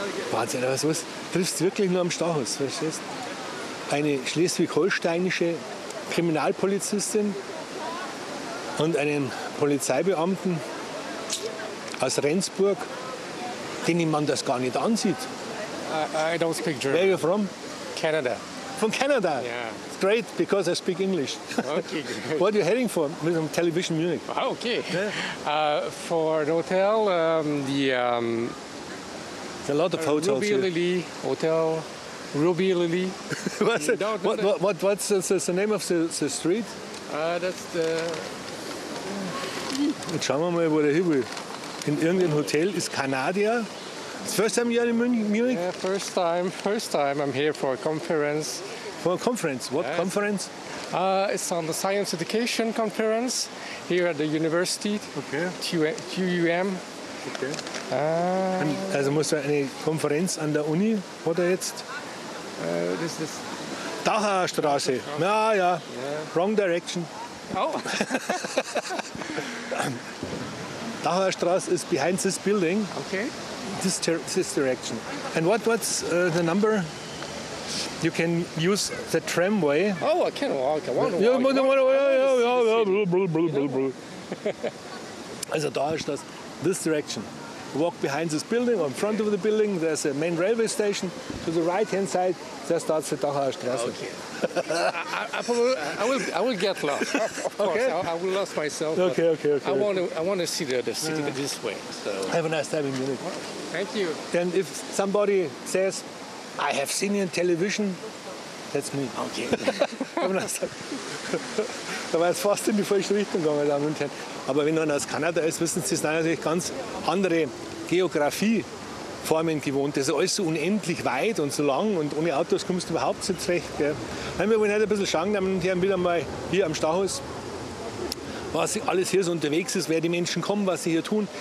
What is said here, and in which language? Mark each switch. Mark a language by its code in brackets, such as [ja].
[de] Wahnsinn, aber sowas triffst du wirklich nur am Stachus, verstehst? Eine schleswig-holsteinische Kriminalpolizistin und einen Polizeibeamten aus Rendsburg, den man das gar nicht ansieht. [en] I don't speak German. Where are you from? Canada. From Canada? Yeah. It's great, because I speak English. Okay, good. What are you heading for? From Television Munich. Oh, okay. Yeah. For an hotel, there's a lot of hotels Ruby here. Ruby Lily Hotel. Ruby Lily. What's the name of the street? That's the... [de] Schauen wir mal, wo der Hebel in irgendein Hotel ist. Kanadier? [en] It's the first time you're in Munich? Yeah, first time I'm here for a conference. For a conference? What conference? It's on the Science Education Conference here at the university. Okay. TUM. Okay. [de] Also muss er eine Konferenz an der Uni, oder jetzt? [en] This is Dachauer Straße. [de] Ja, ja. [en] Yeah. Wrong direction. Oh. Dachauer Straße ist behind this building. Okay. This direction. And what's the number? You can use the tramway. Oh, I can walk. I want to walk. Also Dachauer Straße, this direction. Walk behind this building or in front of the building. There's a main railway station. To the right-hand side, there starts the Dachauer Straße. Okay. I will get lost. I will lose myself. Okay. I want to see the city this way. So. Have a nice time in Munich. Well, thank you. Then if somebody says, I have seen you on television, that's me. Okay. Have a nice time. [de] Da war jetzt fast in die falsche Richtung gegangen, Damen und Herren. Aber wenn man aus Kanada ist, wissen Sie, es sind natürlich ganz andere Geografieformen gewohnt. Das ist alles so unendlich weit und so lang und ohne Autos kommst du überhaupt nicht zurecht. Wir wollen heute ein bisschen schauen, Damen und Herren, wieder mal hier am Stachus, was alles hier so unterwegs ist, wer die Menschen kommen, was sie hier tun.